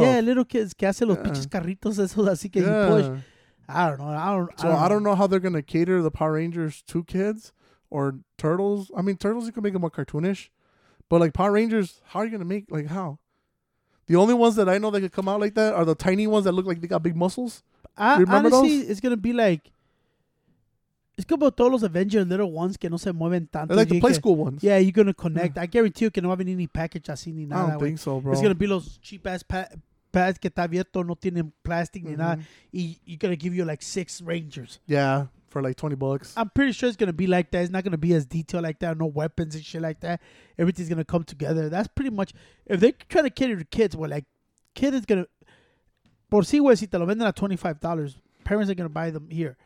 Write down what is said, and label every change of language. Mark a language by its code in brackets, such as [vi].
[es] Yeah, little kids que hace los pinches carritos esos así que you push. [en] I don't know. I don't know how they're going to cater the Power Rangers to kids or Turtles. I mean, Turtles, you can make them more cartoonish. But, like, Power Rangers, how are you going to make, like, how? The only ones that I know that could come out like that are the tiny ones that look like they got big muscles. Remember honestly, those? It's going to be like, it's going to be todos los Avengers little ones que no se mueven tanto. They're like the play school ones. Yeah, you're going to connect. Yeah. I guarantee you que no va a venir ni package así ni nada. I don't think so, bro. [es] It's going to be los cheap-ass pads que está abierto, no tienen plastic ni nada. [en] You're going to give you, like, 6 Rangers. Yeah, for like $20. I'm pretty sure it's going to be like that. It's not going to be as detailed like that. No weapons and shit like that. Everything's going to come together. That's pretty much, if they're trying to cater to kids, well, like, kid is going to, por si, güey, si te lo venden a $25, parents are going to buy them here.